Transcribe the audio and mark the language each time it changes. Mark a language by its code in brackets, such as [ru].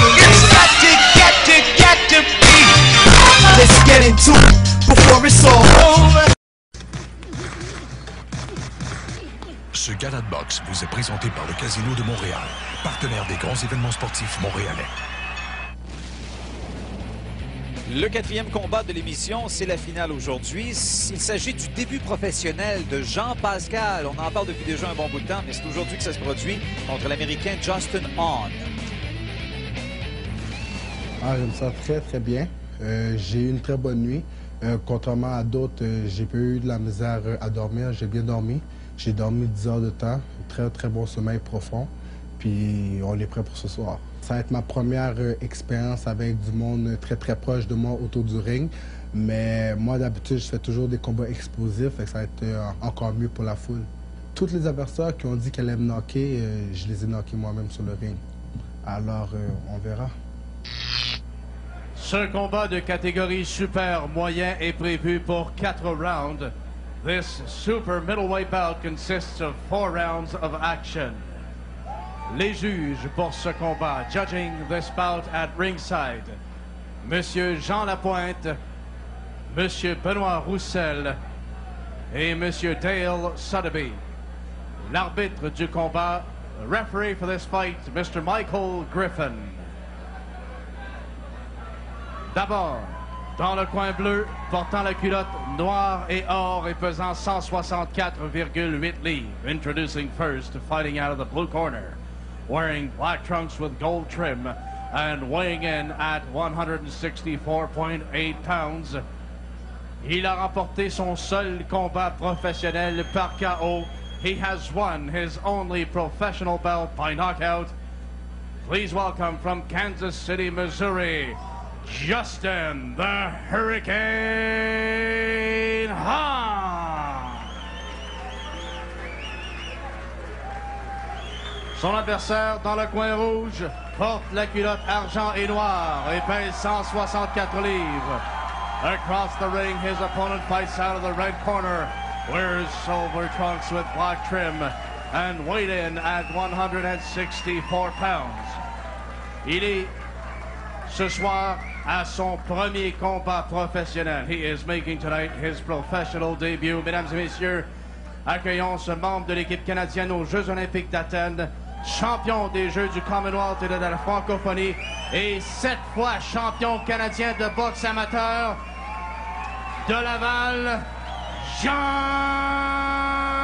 [en] It's got to get to get to be. Let's get into it before it's all over. [fr] Ce Galate Box vous est présenté par le Casino de Montréal, partenaire des grands événements sportifs montréalais. Le quatrième combat de l'émission, c'est la finale aujourd'hui. Il s'agit du début professionnel de Jean Pascal. On en parle depuis déjà un bon bout de temps, mais c'est aujourd'hui que ça se produit contre l'Américain Justin Hahn. Ah, je me sens très, très bien. J'ai eu une très bonne nuit. Contrairement à d'autres, j'ai pas eu de la misère à dormir. J'ai bien dormi. J'ai dormi 10 heures de temps, très très bon sommeil profond, puis on est prêt pour ce soir. Ça va être ma première expérience avec du monde très très proche de moi autour du ring, mais moi d'habitude je fais toujours des combats explosifs, fait que ça va être encore mieux pour la foule. Toutes les adversaires qui ont dit qu'elles aiment knocker, je les ai knockés moi-même sur le ring. Alors on verra. Ce combat de catégorie super moyen est prévu pour 4 rounds. [en] This super middleweight bout consists of 4 rounds of action. [fr] Les juges pour ce combat, [en] judging this bout at ringside, [fr] Monsieur Jean Lapointe, Monsieur Benoît Roussel et Monsieur Dale Sotheby. L'arbitre du combat, [en] referee for this fight, Mr. Michael Griffin. [fr] D'abord, dans le coin bleu, portant la culotte noire et or et pesant 164,8 livres. [en] Introducing first, fighting out of the blue corner, wearing black trunks with gold trim and weighing in at 164.8 pounds. [fr] Il a remporté son seul combat professionnel par KO. [en] He has won his only professional bout by knockout. Please welcome from Kansas City, Missouri, Justin the Hurricane Hahn. [fr] Son adversaire dans le coin rouge porte la culotte argent et noir et pèse 164 livres. [en] Across the ring, his opponent fights out of the red corner, wears silver trunks with black trim and weighed in at 164 pounds. [fr] Il est ce soir à son premier combat professionnel. [en] He is making tonight his professional debut. [fr] Mesdames et messieurs, accueillons ce membre de l'équipe canadienne aux Jeux olympiques d'Athènes, champion des Jeux du Commonwealth et de la francophonie, et 7 fois champion canadien de boxe amateur de Laval, Jean